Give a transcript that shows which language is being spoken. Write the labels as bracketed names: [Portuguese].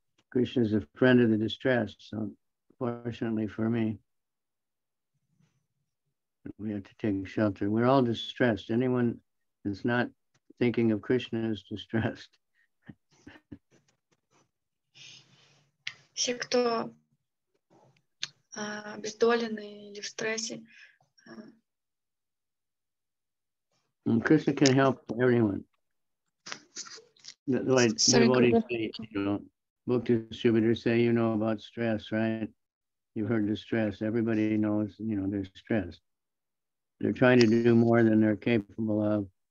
[English] Krishna is a friend of the distressed, so fortunately for me, we have to take shelter. We're all distressed. Anyone that's not thinking of Krishna is distressed. [Russian] Все, кто обездолены или в стрессе. [English] And Krishna can help everyone. Like devotees say, you know, book distributors say, you know about stress, right? You've heard the stress. Everybody knows, you know, they're stressed. They're trying to do more than they're capable of.